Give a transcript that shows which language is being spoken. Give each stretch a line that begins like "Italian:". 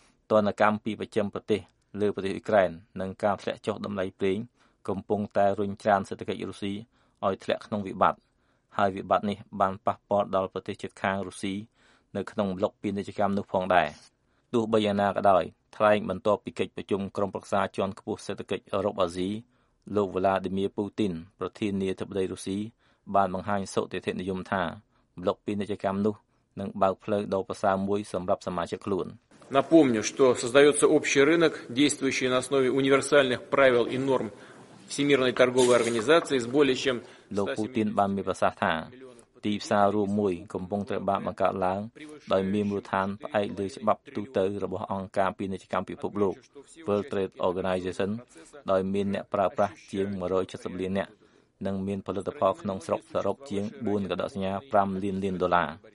Khmer: ទណ្ឌកម្មពីប្រចាំប្រទេសលើប្រទេសអ៊ុយក្រែននិងការធ្លាក់ចុះតម្លៃប្រេងកំពុងតែរុញច្រានសេដ្ឋកិច្ចរុស្ស៊ីឲ្យធ្លាក់ក្នុងវិបត្តិហើយវិបត្តិនេះបានប៉ះពាល់ដល់ប្រទេសជិតខាងរុស្ស៊ីនៅក្នុងប្លុកពាណិជ្ជកម្មនោះផងដែរទោះបីយ៉ាងណាក៏ដោយថ្លែងបន្ទាប់ពីកិច្ចប្រជុំក្រុមប្រឹក្សាជាន់ខ្ពស់សេដ្ឋកិច្ចអឺរ៉ុបអាស៊ីលោក Vladimir Putin ប្រធានាធិបតីរុស្ស៊ីបានបង្ហាញសុតិធិនិយមថាប្លុកពាណិជ្ជកម្មនោះនឹងបើកផ្លូវដ៏ប្រសើរមួយសម្រាប់សមាជិកខ្លួន
Russian: Напомню, что создаётся общий рынок, действующий на основе универсальных правил и норм Всемирной торговой организации с более чем
Khmer: លោកពូទីនបានមានប្រសាសន៍ថាទីផ្សាររួមមួយកំពុងត្រូវបានបង្កើតឡើងដោយមានមូលដ្ឋានផ្អែកលើច្បាប់ទូទៅរបស់អង្គការពាណិជ្ជកម្មពិភពលោក World Trade Organization ដោយមានអ្នកប្រើប្រាស់ជាង170លាននាក់នឹងមានផលិតផលក្នុងស្រុកសរុបជាង4កដកសញ្ញា5លានលានដុល្លារ